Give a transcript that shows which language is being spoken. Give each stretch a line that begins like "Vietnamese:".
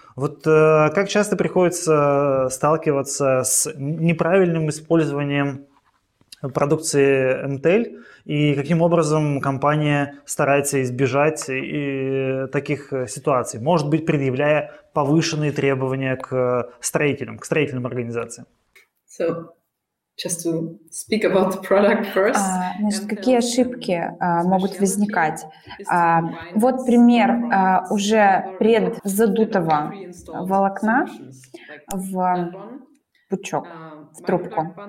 Russian: Вот как часто приходится сталкиваться с неправильным использованием продукции Intel и каким образом компания старается избежать таких ситуаций, может быть, предъявляя повышенные требования к строительным организациям.
English: So, just to speak about the product first.
Russian: Значит, какие ошибки могут возникать? Вот пример уже предзадутого волокна в пучок, в трубку.